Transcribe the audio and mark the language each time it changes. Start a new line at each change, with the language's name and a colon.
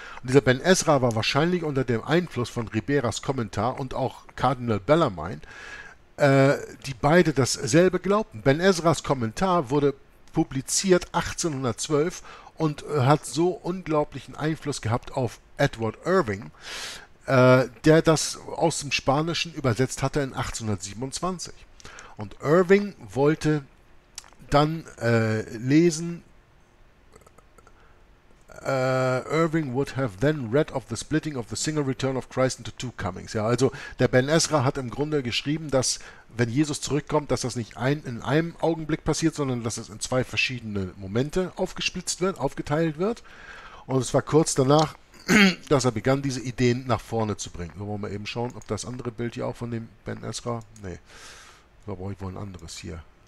German: Und dieser Ben Ezra war wahrscheinlich unter dem Einfluss von Riberas Kommentar und auch Kardinal Bellarmine, die beide dasselbe glaubten. Ben Ezras Kommentar wurde publiziert 1812 und hat so unglaublichen Einfluss gehabt auf Edward Irving, der das aus dem Spanischen übersetzt hatte in 1827. Und Irving wollte dann lesen,
English: Irving would have then read of the splitting of the single return of Christ into two comings.
German: Ja, also der Ben Ezra hat im Grunde geschrieben, dass wenn Jesus zurückkommt, dass das nicht in einem Augenblick passiert, sondern dass es in zwei verschiedene Momente aufgesplitzt wird, aufgeteilt wird. Und es war kurz danach, dass er begann, diese Ideen nach vorne zu bringen. Wollen wir mal eben schauen, ob das andere Bild hier auch von dem Ben Ezra... Nee, da brauche ich wohl ein anderes hier.